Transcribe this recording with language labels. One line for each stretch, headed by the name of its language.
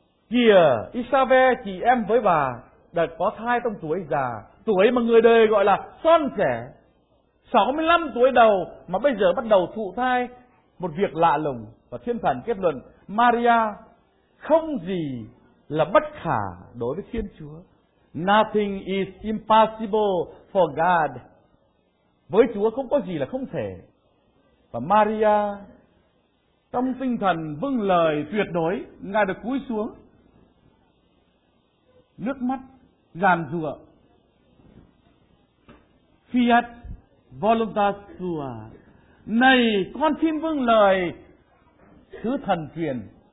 Vietnamese: Kìa, Isabel chị em với bà đã có thai trong tuổi già, tuổi mà người đời gọi là son trẻ, 65 tuổi đầu mà bây giờ bắt đầu thụ thai, một việc lạ lùng. Và thiên thần kết luận, Maria không gì là bất khả đối với Thiên Chúa.
English: Nothing is impossible for God.
Vietnamese: Với Chúa không có gì là không thể. Và Maria trong tinh thần vâng lời tuyệt đối, Ngài được cúi xuống, nước mắt giàn giụa,
Latin: Fiat voluntas tua,
Vietnamese: này con xin vâng lời Sứ thần truyền.